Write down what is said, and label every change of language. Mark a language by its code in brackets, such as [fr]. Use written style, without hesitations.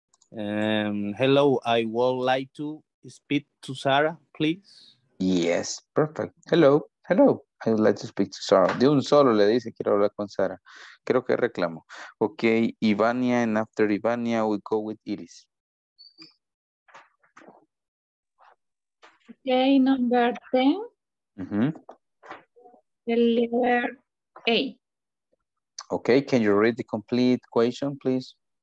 [en] Hello, I would like to speak to Sarah, please. Yes, perfect. Hello, I would like to speak to Sarah. [es] De un solo le dice, quiero hablar con Sarah. Creo que reclamo. [en] Okay, Ivania, and after Ivania, we go with Iris. Okay, number 10. Mm-hmm. Okay, can you read the complete question, please?